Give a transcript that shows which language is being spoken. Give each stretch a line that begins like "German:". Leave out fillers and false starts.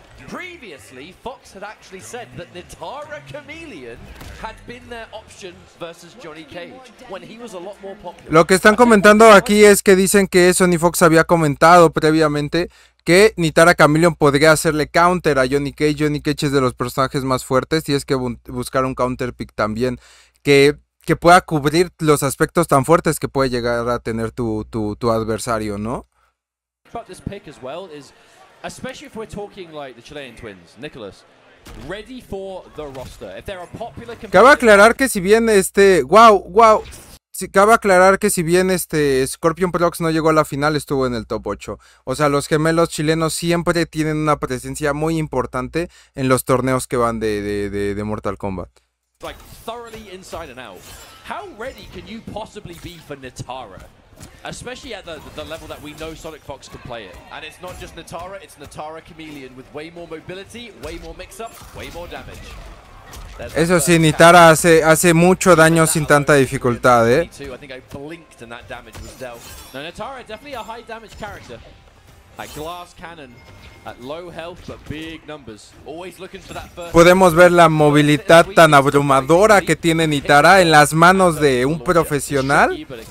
English: Previously, Fox had actually said that Nitara Chameleon had been their option versus Johnny Cage when he was a lot more popular.
Spanish: Lo que están comentando aquí es que dicen que Sony Fox había comentado previamente que Nitara Chameleon podría hacerle counter a Johnny Cage. Johnny Cage es de los personajes más fuertes y es que buscar un counter pick también que pueda cubrir los aspectos tan fuertes que puede llegar a tener tu adversario, ¿no?
English: But this pick as well is, especially if we're talking like the Chilean twins, Nicholas, ready for the roster. If they're a popular competitor.
Spanish: Cabe aclarar que si bien
English: wow.
Spanish: Cabe aclarar que si bien Scorpion Prox no llegó a la final, estuvo en el top 8. O sea, los gemelos chilenos siempre tienen una presencia muy importante en los torneos que van de Mortal Kombat.
English: Like thoroughly inside and out. How ready can you possibly be for Nitara? Especially at the level that we know Sonic Fox can play it. And it's not just Nitara, it's Nitara Chameleon with way more mobility, way more mix-up, way more damage.
Spanish: Eso sí, Nitara hace mucho daño sin tanta dificultad,
English: I think I blinked and that damage was dealt. Now Nitara, definitely a high damage character. A glass cannon at low health but big numbers. Always looking for that first.
Spanish: Podemos ver la movilidad tan abrumadora que tiene Nitara en las manos de un profesional.